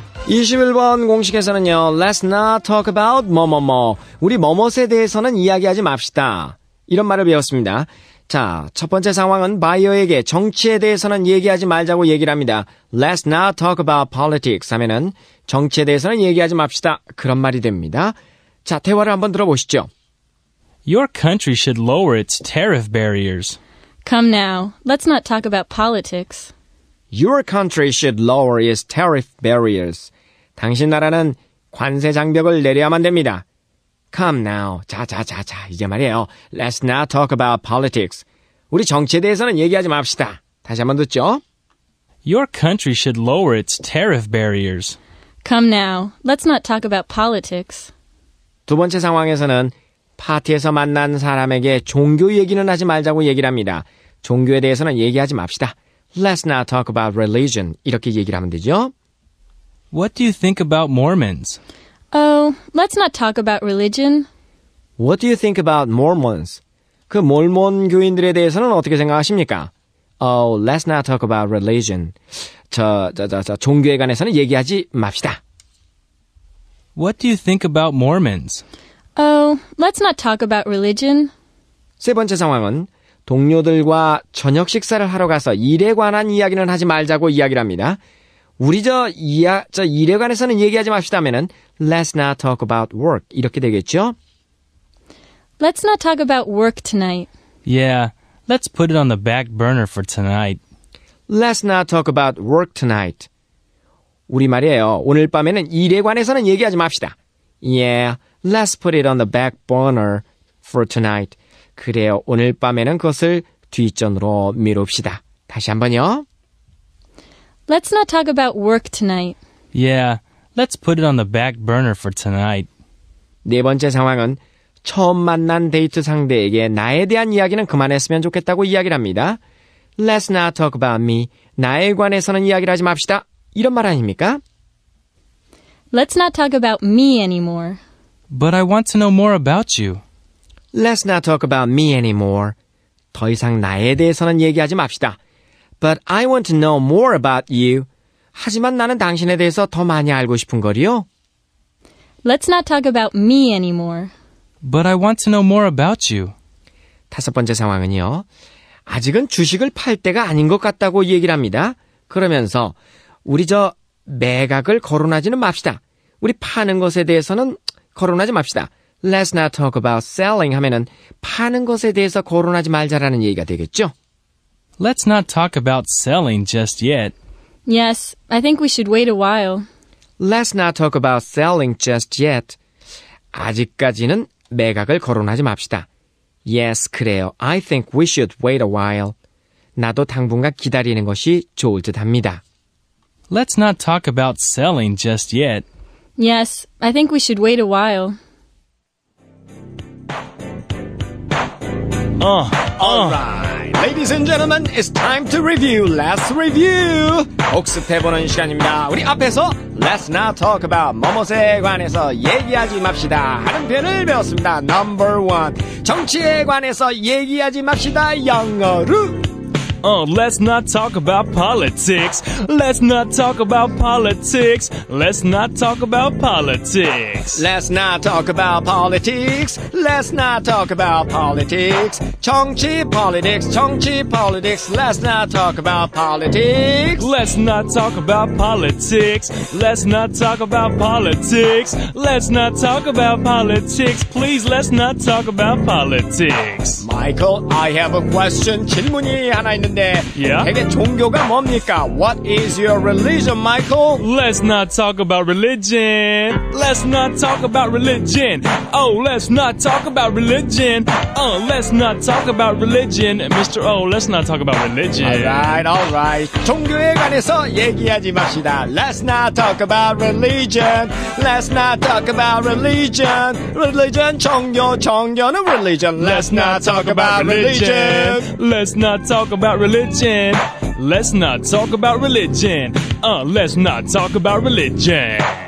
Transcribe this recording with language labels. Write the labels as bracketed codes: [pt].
[ko] 21번 공식에서는요, [en] Let's not talk about [ko] 뭐뭐뭐, 우리 뭐뭐에 대해서는 이야기하지 맙시다 이런 말을 배웠습니다. 자, 첫 번째 상황은 바이어에게 정치에 대해서는 얘기하지 말자고 얘기를 합니다. [en] Let's not talk about politics [ko] 하면은 정치에 대해서는 얘기하지 맙시다 그런 말이 됩니다. 자, 대화를 한번 들어보시죠. [en] Your country should lower its tariff barriers. Come now, let's not talk about politics. Your country should lower its tariff barriers. [ko] 당신 나라는 관세 장벽을 내려야만 됩니다. [en] Come now, [ko] 자자자자, 이제 말이에요. [en] Let's not talk about politics. [ko] 우리 정치에 대해서는 얘기하지 맙시다. 다시 한번 듣죠. [en] Your country should lower its tariff barriers. Come now, let's not talk about politics. [ko] 두 번째 상황에서는 파티에서 만난 사람에게 종교 얘기는 하지 말자고 얘기를 합니다. 종교에 대해서는 얘기하지 맙시다. [en] Let's not talk about religion. [ko] 이렇게 얘기를 하면 되죠. [en] What do you think about Mormons? Oh, let's not talk about religion. What do you think about Mormons? [ko] 그 몰몬 교인들에 대해서는 어떻게 생각하십니까? [en] Oh, let's not talk about religion. [ko] 종교에 관해서는 얘기하지 맙시다. [en] What do you think about Mormons? Oh, let's not talk about religion. [ko] 세 번째 상황은 동료들과 저녁 식사를 하러 가서 일에 관한 이야기는 하지 말자고 이야기를 합니다. 우리 일에 관해서는 얘기하지 맙시다 하면은 [en] Let's not talk about work [ko] 이렇게 되겠죠? [en] Let's not talk about work tonight. Yeah, let's put it on the back burner for tonight. Let's not talk about work tonight. [ko] 우리 말이에요. 오늘 밤에는 일에 관해서는 얘기하지 맙시다. [en] Yeah, let's put it on the back burner for tonight. [ko] 그래요. 오늘 밤에는 그것을 뒷전으로 미룹시다. 다시 한번요. [en] Let's not talk about work tonight. Yeah, let's put it on the back burner for tonight. [ko] 네 번째 상황은 처음 만난 데이트 상대에게 나에 대한 이야기는 그만했으면 좋겠다고 이야기를 합니다. [en] Let's not talk about me. [ko] 나에 관해서는 이야기를 하지 맙시다. 이런 말 아닙니까? [en] Let's not talk about me anymore. But I want to know more about you. Let's not talk about me anymore. [ko] 더 이상 나에 대해서는 얘기하지 맙시다. [en] But I want to know more about you. [ko] 하지만 나는 당신에 대해서 더 많이 알고 싶은 거리요. [en] Let's not talk about me anymore. But I want to know more about you. [ko] 다섯 번째 상황은요. 아직은 주식을 팔 때가 아닌 것 같다고 얘기를 합니다. 그러면서 우리 매각을 거론하지는 맙시다. 우리 파는 것에 대해서는 거론하지 맙시다. [en] Let's not talk about selling [ko] 하면은 파는 것에 대해서 거론하지 말자라는 얘기가 되겠죠. [en] Let's not talk about selling just yet. Yes, I think we should wait a while. Let's not talk about selling just yet. [ko] 아직까지는 매각을 거론하지 맙시다. [en] Yes, [ko] 그래요. [en] I think we should wait a while. [ko] 나도 당분간 기다리는 것이 좋을 듯 합니다. [en] Let's not talk about selling just yet. Yes, I think we should wait a while. Alright, ladies and gentlemen, it's time to review. Let's review. [ko] 복습해보는 시간입니다. 우리 앞에서 [en] Let's not talk about [ko] 뭐뭇에 관해서 얘기하지 맙시다 하는 표현을 배웠습니다. [en] Number one, [ko] 정치에 관해서 얘기하지 맙시다 영어로. [en] Let's not talk about politics. Let's not talk about politics. Let's not talk about politics. Let's not talk about politics. Let's not talk about politics. 정치 politics. 정치 politics. Let's not talk about politics. Let's not talk about politics. Let's not talk about politics. Let's not talk about politics. Please, let's not talk about politics. Michael, I have a question. [ko] 질문이 하나 있는데. [en] Yeah. [ko] 되게 종교가 뭡니까? [en] What is your religion, Michael? Let's not talk about religion. Let's not talk about religion. Oh, let's not talk about religion. Oh, let's not talk about religion. Mr. Oh, let's not talk about religion. All right. [ko] 종교에 관해서 얘기하지 맙시다. [en] Let's not talk about religion. Let's not talk about religion. [ko] Religion, 종교, 종교는 religion. [en] Let's not talk about religion. Let's not talk about religion. Let's not talk about religion. Let's not talk about religion.